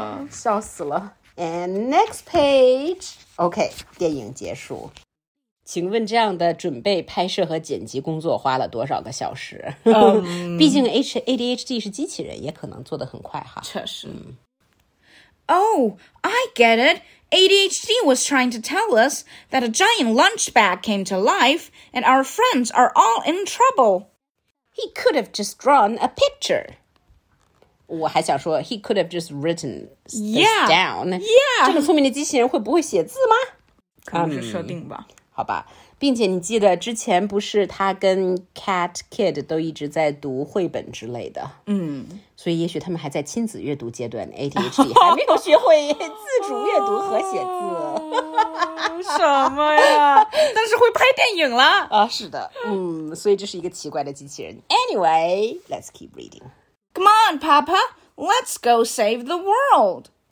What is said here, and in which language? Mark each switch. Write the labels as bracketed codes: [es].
[zh] 笑死了。 [en] And next page. Okay, [zh] 电影结束。请问这样的准备拍摄和剪辑工作花了多少个小时毕竟 ADHD 是机器人也可能做得很快哈。确实。 [en] Oh, I get it. ADHD was trying to tell us that a giant lunch bag came to life and our friends are all in trouble. He could have just drawn a picture. [zh] 我还想说 [en] he could have just written this yeah, down. Yeah. [zh] 这么聪明的机器人会不会写字吗可能是设定吧。好吧，并且你记得之前不是他跟 Cat Kid 都一直在读绘本之类的，嗯，所以也许他们还在亲子阅读阶段 ，ADHD 还没有学会自主阅读和写字，什么呀？但是会拍电影了啊！是的，嗯，所以这是一个奇怪的机器人。 [en] Anyway, let's keep reading. Come on, Papa, let's go save the world.